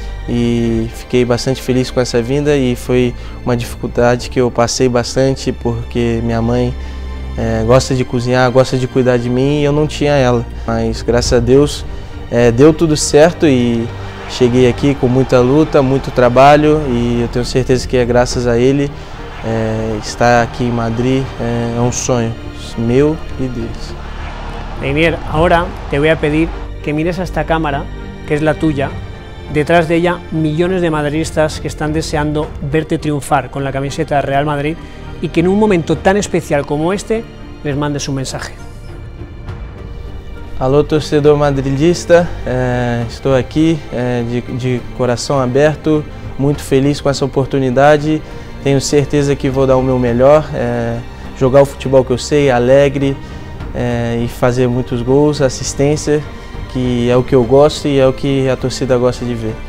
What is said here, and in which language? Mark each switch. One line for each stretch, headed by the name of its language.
Portuguese: E fiquei bastante feliz com essa vinda. E foi uma dificuldade que eu passei bastante, porque minha mãe gosta de cozinhar, gosta de cuidar de mim, e eu não tinha ela. Mas graças a Deus deu tudo certo e cheguei aqui com muita luta, muito trabalho, e eu tenho certeza que é graças a ele estar aqui em Madrid. É um sonho meu e deles.
Spanish: Daniel, agora te voy a pedir que mires a esta cámara, que es la tuya. Detrás de ella, millones de madridistas que están deseando verte triunfar con la camiseta de Real Madrid, y que en un momento tan especial como este les mandes un mensaje.
Portuguese: Alô, torcedor madridista, estou aqui de coração aberto, muito feliz com essa oportunidade. Tenho certeza que vou dar o meu melhor, jogar o futebol que eu sei, alegre, e fazer muitos gols, assistência, que é o que eu gosto e é o que a torcida gosta de ver.